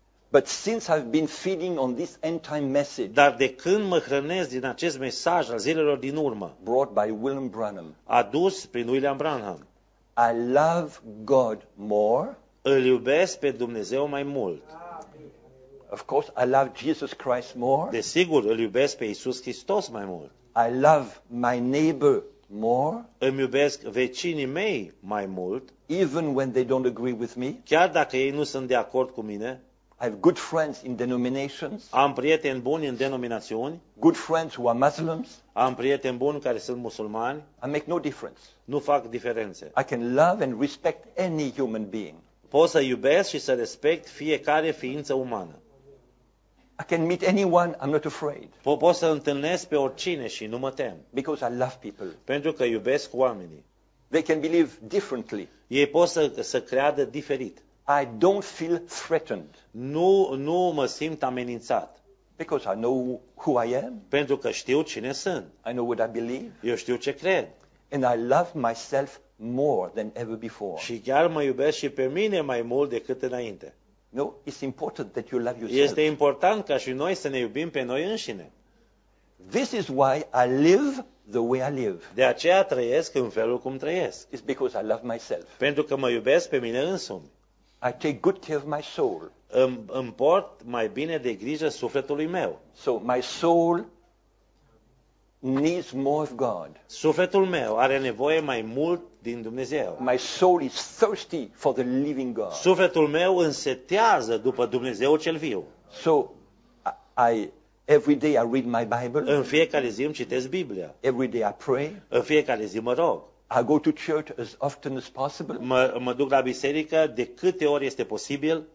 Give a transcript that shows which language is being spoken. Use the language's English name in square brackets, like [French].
[English] But since I've been feeding on this end time message. [Romanian] Dar de când mă hrănesc din acest mesaj al zilelor din urmă. [English] Brought by William Branham. [Romanian] Adus prin William Branham. [English] I love God more. [Romanian] Îl iubesc pe Dumnezeu mai mult. [English] Of course, I love Jesus Christ more. [Romanian] Desigur, îl iubesc pe Iisus Hristos mai mult. [English] I love my neighbor more. [Romanian] Îmi iubesc vecinii mei mai mult. [English] Even when they don't agree with me. [Romanian] Chiar dacă ei nu sunt de acord cu mine. [English] I have good friends in denominations. [Romanian] Am prieteni buni în denominațiuni. [English] Good friends who are Muslims. [Romanian] Am prieteni buni care sunt musulmani. [English] I make no difference. [Romanian] Nu fac diferențe. [English] I can love and respect any human being. [Romanian] Pot să iubesc și să respect fiecare ființă umană. [English] I can meet anyone, I'm not afraid. [Romanian] Pot să întâlnesc pe oricine și nu mă tem. [English] Because I love people. [Romanian] Pentru că iubesc oamenii. [English] They can believe differently. [Romanian] Ei pot să creadă diferit. [English] I don't feel threatened. [Romanian] Nu mă simt amenințat. [English] Because I know who I am. [Romanian] Pentru că știu cine sunt. [English] I know what I believe. [Romanian] Eu știu ce cred. [English] And I love myself more than ever before. [Romanian] Și chiar mă iubesc și pe mine mai mult decât înainte. [English] No, it's important that you love yourself. [Romanian] Este important ca și noi să ne iubim pe noi înșine. [English] This is why I live the way I live. [Romanian] De aceea trăiesc în felul cum trăiesc. [English] It's because I love myself. [Romanian] Pentru că mă iubesc pe mine însumi. [English] I take good care of my soul. [Romanian] Îmi port mai bine de grijă sufletului meu. [English] So my soul needs more of God. [Romanian] Sufletul meu are nevoie mai mult din Dumnezeu. [English] My soul is thirsty for the living God. [Romanian] Sufletul meu însetează după Dumnezeu cel viu. [English] So I every day I read my Bible. [Romanian] În fiecare zi îmi citesc Biblia. [English] Every day I pray. [Romanian] În fiecare zi mă rog. [English] I go to church as often as possible. [Romanian] Mă duc la biserică de câte ori este posibil.